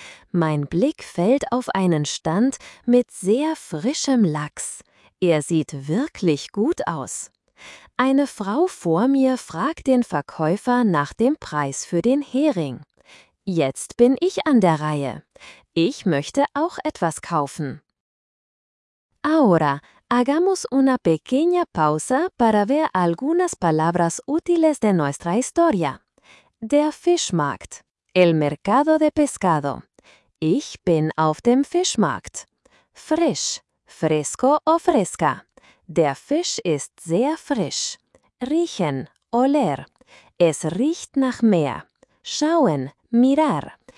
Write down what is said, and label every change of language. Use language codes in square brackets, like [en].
[de] Mein Blick fällt auf einen Stand mit sehr frischem Lachs. Er sieht wirklich gut aus. Eine Frau vor mir fragt den Verkäufer nach dem Preis für den Hering. Jetzt bin ich an der Reihe. Ich möchte auch etwas kaufen. [es] Ahora, hagamos una pequeña pausa para ver algunas palabras útiles de nuestra historia. [de] Der Fischmarkt. [es] El mercado de pescado. [de] Ich bin auf dem Fischmarkt. Frisch. [es] Fresco o fresca. [de] Der Fisch ist sehr frisch. Riechen. [es] Oler. [de] Es riecht nach Meer. Schauen. [es] Mirar.